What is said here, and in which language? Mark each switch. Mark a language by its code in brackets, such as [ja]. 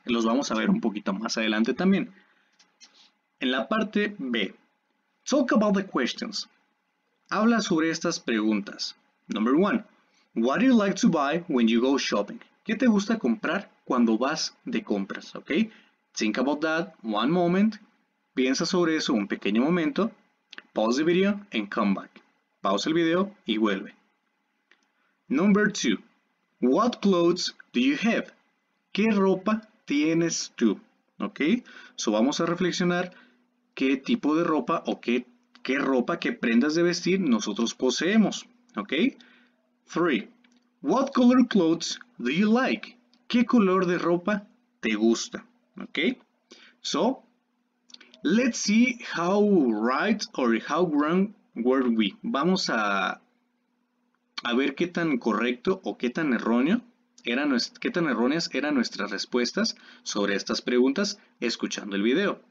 [es] Los vamos a ver un poquito más adelante también. En la parte B, [en] talk about the questions. [es] Habla sobre estas preguntas. [en] Number one, what do you like to buy when you go shopping? [es] ¿Qué te gusta comprar cuando vas de compras? [en] Okay, think about that one moment. [es] Piensa sobre eso un pequeño momento. [en] Pause the video and come back. [es] Pausa el video y vuelve. [en] Number two, what clothes do you have? [es] ¿Qué ropa tienes tú? Okay, so vamos a reflexionar qué tipo de ropa o qué ropa, qué prendas de vestir nosotros poseemos. [en] Okay. Three. What color clothes do you like? [es] ¿Qué color de ropa te gusta? Okay. [en] So, let's see how right or how wrong were we. [es] Vamos a ver qué tan correcto o qué tan erróneo era qué tan erróneas eran nuestras respuestas sobre estas preguntas escuchando el video.